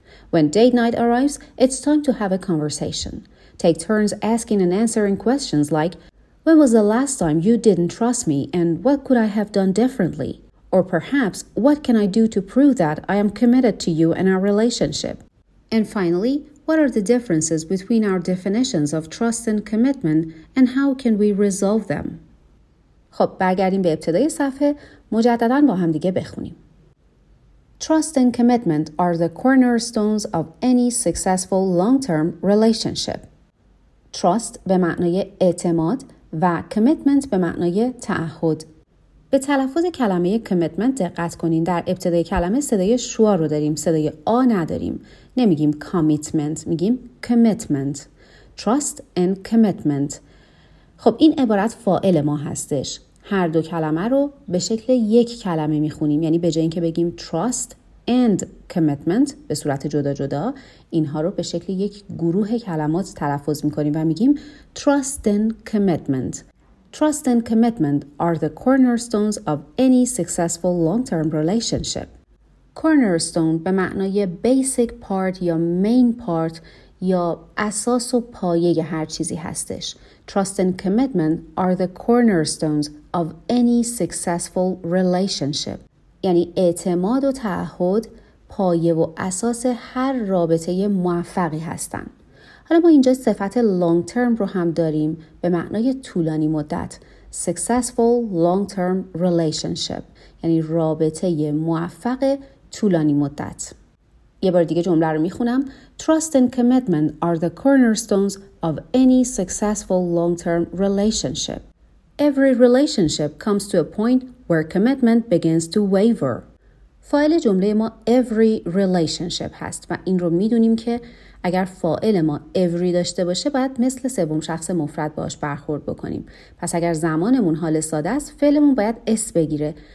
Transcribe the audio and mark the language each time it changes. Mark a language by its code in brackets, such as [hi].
[en] When date night arrives, it's time to have a conversation. Take turns asking and answering questions like, "When was the last time you didn't trust me and what could I have done differently?" Or perhaps, "What can I do to prove that I am committed to you and our relationship?" And finally, what are the differences between our definitions of trust and commitment and how can we resolve them? [fa] خب برگردیم به ابتدای صفحه، مجدداً با هم دیگه بخونیم. [en] Trust and commitment are the cornerstones of any successful long-term relationship. [fa] Trust به معنای اعتماد و commitment به معنای تعهد. به تلفظ کلمه commitment دقت کنین، در ابتدای کلمه صدای شوا رو داریم، صدای آ نداریم. نمیگیم [en] commitment، [fa] میگیم [en] commitment. Trust and commitment. [fa] خب این عبارت فاعل ما هستش. هر دو کلمه رو به شکل یک کلمه میخونیم، یعنی به جای اینکه بگیم [en] trust and commitment [fa] به صورت جدا جدا، اینها رو به شکل یک گروه کلمات تلفظ میکنیم و میگیم trust and commitment. [en] Trust and commitment are the cornerstones of any successful long-term relationship. [fa] Cornerstone به معنای [en] basic part [fa] یا [en] main part [fa] یا اساس و پایه هر چیزی هستش. [en] Trust and commitment are the cornerstones of any successful relationship. [fa] یعنی اعتماد و تعهد پایه و اساس هر رابطه موفقی هستن. حالا ما اینجا صفت long term رو هم داریم به معنای طولانی مدت. [en] Successful long term relationship. [fa] یعنی رابطه موفق طولانی مدت. یه بار دیگه جمله رو میخونم. [en] Trust and commitment are the cornerstones of any successful long-term relationship. Every relationship comes to a point where commitment begins to waver. [fa] فاعل جمله ما [en] every relationship [fa] هست و این رو میدونیم که اگر فاعل ما every داشته باشه باید مثل سوم شخص مفرد باش برخورد بکنیم. پس اگر زمانمون حال ساده است فعلمون باید s بگیره.